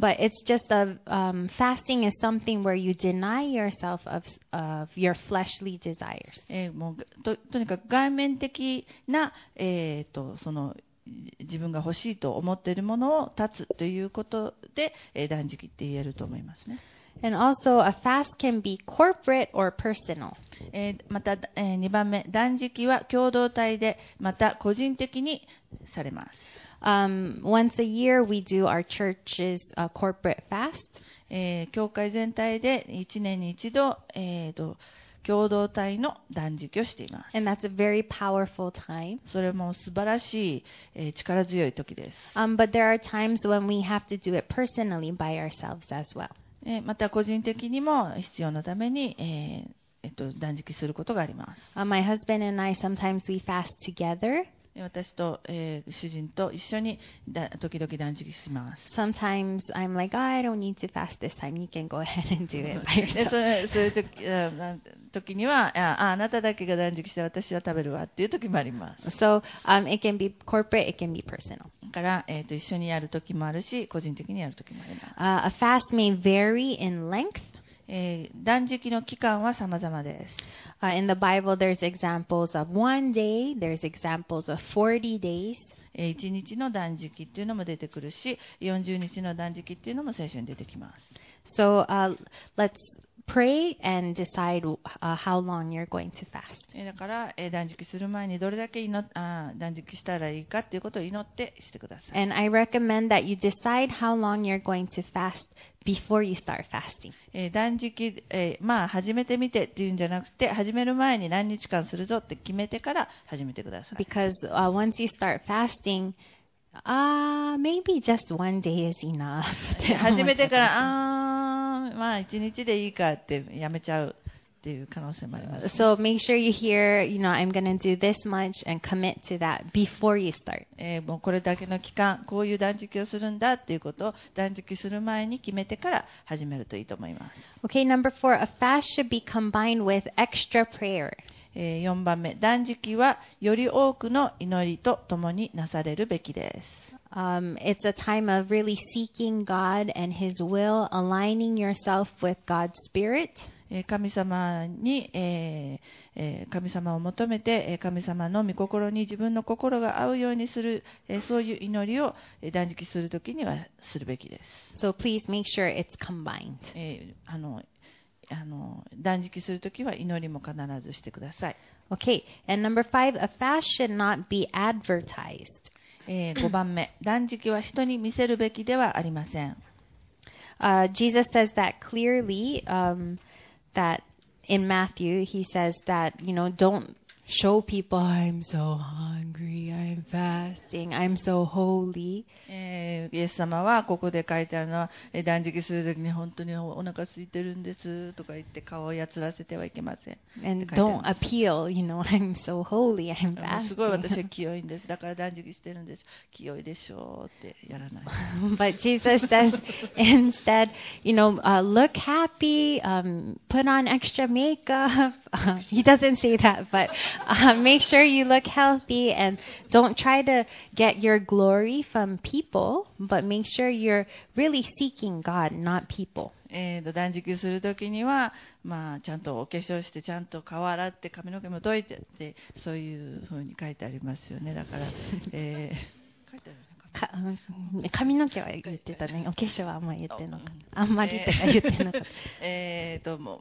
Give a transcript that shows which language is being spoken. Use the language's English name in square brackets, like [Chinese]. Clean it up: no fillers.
[English] But it's just a fasting is something where you deny yourself of your fleshly desires. [Japanese] もう とにかく外面的な、その自分が欲しいと思っているものを断つということで、断食って言えると思いますね。 [English] And also a fast can be corporate or personal. [Japanese] また、2番目、断食は共同体でまた個人的にされます。 [English] Once a year, we do our church's corporate fast. [Japanese] 教会全体で一年に一度、共同体の断食をしています。 [English] And that's a very powerful time. [Japanese] それも素晴らしい、力強い時です。 [English] But there are times when we have to do it personally by ourselves as well. [Japanese] また個人的にも必要なために、断食することがあります。 [English] My husband and I sometimes we fast together. [Japanese] 私と、主人と一緒に時々断食します。 [English] Sometimes I'm like、oh, I don't need to fast this time. You can go ahead and do it by yourself. [Japanese] そういう 時には あなただけが断食して私は食べるわっていう時もあります。 [English] So it can be corporate, it can be personal. [Japanese] だから、一緒にやる時もあるし個人的にやる時もあります。 [English] A fast may vary in length. [Japanese] 断食の期間は様々です。 [English] In the Bible, there's examples of one day, there's examples of 40 days. [Japanese] 1日の断食っていうのも出てくるし、40日の断食っていうのも聖書に出てきます。 [English] So, let's pray and decide how long you're going to fast. [Japanese] だから、断食する前にどれだけ断食したらいいかっていうことを祈ってしてください。 [English] And I recommend that you decide how long you're going to fast. Before you start fasting. [Japanese] 断食、まあ始めてみてっていうんじゃなくて始める前に何日間するぞって決めてから始めてください。 [English] Because once you start fasting, maybe just one day is enough. [Japanese] 始めてから、まあ一日でいいかってやめちゃうっていう可能性もあります、ね。 [English] So make sure you hear, you know, I'm gonna do this much and commit to that before you start. [Japanese] もうこれだけの期間、こういう断食をするんだっていうことを断食する前に決めてから始めるといいと思います。 [English] Okay, number four, a fast should be combined with extra prayer. [Japanese] 4番目、断食はより多くの祈りと共になされるべきです。 [English] It's a time of really seeking God and His will, aligning yourself with God's Spirit. [Japanese] 神様に、神様を求めて、神様の御心に自分の心が合うようにする、そういう祈りを断食するときにはするべきです。 [English] So please make sure it's combined. [Japanese] 断食するときは祈りも必ずしてください。 [English] Okay, and number five, a fast should not be advertised. [Japanese] 5番目、断食は人に見せるべきではありません。 [English] Jesus says that clearly, that in Matthew, he says that, you know, don't show people, I'm so hungry, I'm fasting, I'm so holy. [Japanese] イエス様はここで書いてあるのは、断食するときに本当にお腹空いてるんですとか言って顔をやつらせてはいけません。 [English] And don't appeal, you know, I'm so holy, I'm fasting. [Japanese] すごい私は清いんです。だから断食してるんです。清いでしょうってやらない。 [English] But Jesus says instead, you know, look happy, put on extra makeup. He doesn't say that, but make sure you look healthy and don't try to get your glory from people, but make sure you're really seeking God, not people. [Japanese] 断食するときには、まあ、ちゃんとお化粧して、ちゃんと顔洗って、髪の毛もどいてって、そういうふうに書いてありますよね。だから、書いてあるね、髪の毛は言ってたね。お化粧はあんまり言ってなかった。あんまりとか言ってなかった。